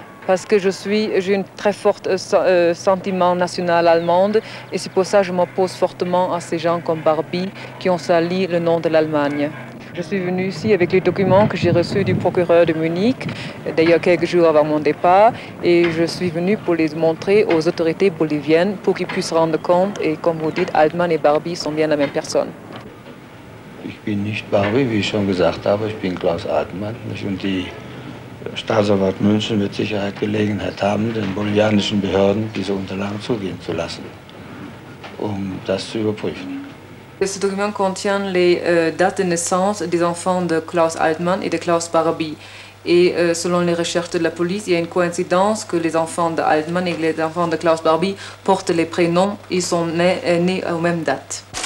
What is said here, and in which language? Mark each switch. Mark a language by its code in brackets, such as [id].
[fr] Parce que j'ai un très fort sentiment national allemand et c'est pour ça que je m'oppose fortement à ces gens comme Barbie qui ont sali le nom de l'Allemagne. Je suis venue ici avec les documents que j'ai reçus du procureur de Munich, d'ailleurs quelques jours avant mon départ, et je suis venue pour les montrer aux autorités boliviennes pour qu'ils puissent rendre compte. Et comme vous dites, Altmann et Barbie sont bien la même personne. [de] Ich bin nicht Barbie, wie ich schon gesagt habe. Ich bin Klaus Altmann. Und die Staatsanwalt München wird Sicherheit Gelegenheit haben, den bolivianischen Behörden diese Unterlagen zugehen zu lassen, um das zu überprüfen. [fr] Ce document contient les dates de naissance des enfants de Klaus Altmann et de Klaus Barbie. Et selon les recherches de la police, il y a une coïncidence que les enfants de Altman et les enfants de Klaus Barbie portent les prénoms. Ils sont nés aux mêmes dates.